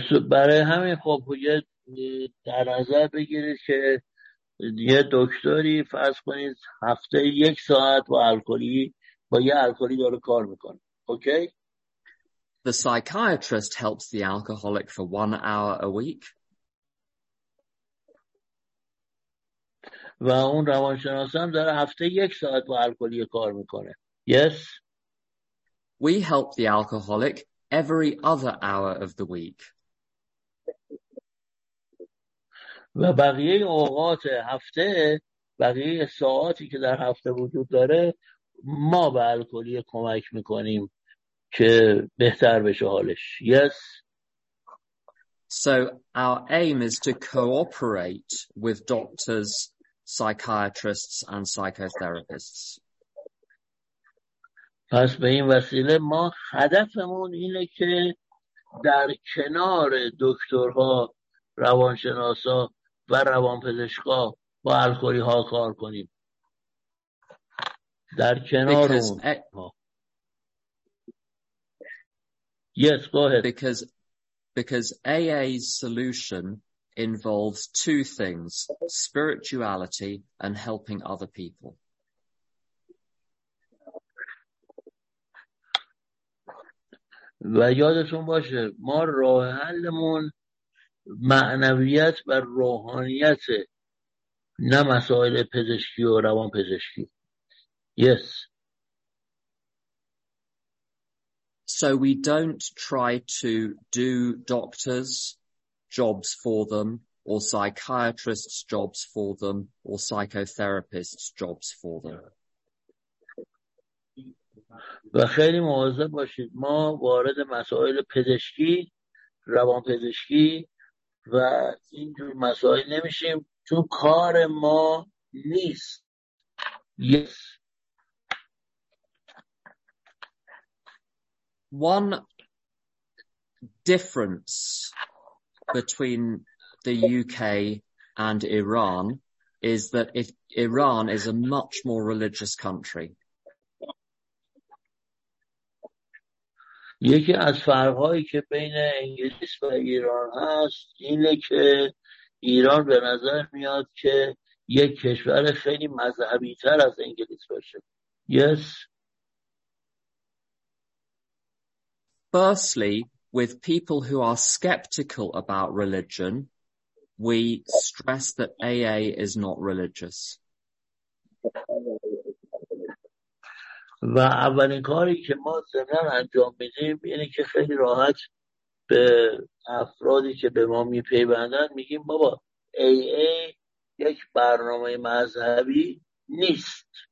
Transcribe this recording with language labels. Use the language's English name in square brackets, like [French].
[Persian] برای همین خب باید در نظر بگیرید که یه دکتری فرض کنید هفته یک ساعت با یه الکلی داره کار میکنه. [English] Okay? The psychiatrist helps the alcoholic for 1 hour a week. [Persian] و اون روانشناس هم داره هفته یک ساعت با الکلی کار میکنه. [English] Yes. We help the alcoholic every other hour of the week. [Persian] و بقیه اوقات هفته، بقیه ساعاتی که در هفته وجود داره، ما به الکلی کمک میکنیم که بهتر بشه حالش. [English] Yes. So our aim is to cooperate with doctors, psychiatrists and psychotherapists. [Persian] پس به این وسیله ما هدفمون اینه که در کنار دکترها، روانشناسا و روانپزشکا با الکلی ها کار کنیم. در کنار [English] Yes, go ahead. Because AA's solution involves two things, spirituality and helping other people. [Persian] و یادتون باشه ما راه حلمون معنویت و روحانیت، نه مسائل پزشکی و روان پزشکی. [English] Yes. So we don't try to do doctors jobs for them or psychiatrists' jobs for them, or psychotherapists' jobs for them. [Persian] و خیلی مواظب باشید ما وارد مسائل پزشکی روان پزشکی و اینجور مسائل نمیشیم چون کار ما نیست. [English] Yes. One difference between the UK and Iran is that if Iran is a much more religious country. [Persian] یکی از فرقهایی که بین انگلیس و ایران هست اینه که ایران به نظر میاد که یک کشور خیلی مذهبی تر از انگلیس باشه. [English] Yes. Firstly, with people who are skeptical about religion, we stress that AA is not religious. [Persian] و اولین کاری که ما زمین انجام میدیم اینه که خیلی راحت به افرادی که به ما میپیوندن میگیم بابا AA یک برنامه مذهبی نیست.